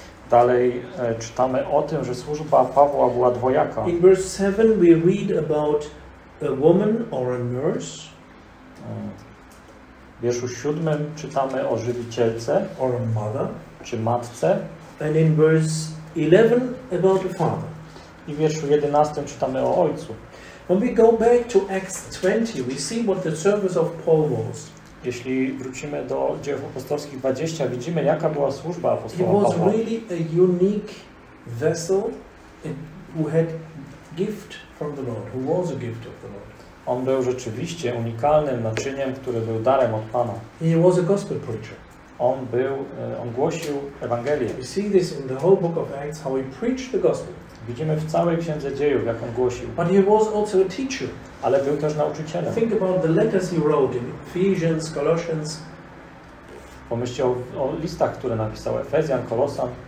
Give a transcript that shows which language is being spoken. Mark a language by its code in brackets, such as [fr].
[pl] Dalej czytamy o tym, że służba Pawła była dwojaka. [en] In verse 7 we read about a woman or a nurse. [pl] W wierszu 7 czytamy o żywicielce [en] or a mother, [pl] czy matce. [en] And in verse 11 about a father. [pl] I w wierszu 11 czytamy o ojcu. [en] When we go back to Acts 20, we see what the service of Paul was. [pl] Jeśli wrócimy do Dziejów Apostolskich 20, widzimy jaka była służba apostoła Pawła. [en] He was really a unique vessel who had gift from the Lord, who was a gift of the Lord. [pl] On był rzeczywiście unikalnym naczyniem, który był darem od Pana. [en] He was a gospel preacher. [pl] On głosił Ewangelię. [en] We see this in the whole book of Acts, how he preached the gospel. [pl] Widzimy w całej Księdze Dziejów, jak on głosił. [en] But he was also a teacher. [pl] Ale był też nauczycielem. [en] Think about the letters he wrote in Ephesians, Colossians. [pl] Pomyślcie o, o listach, które napisał Efezjan, Kolosan.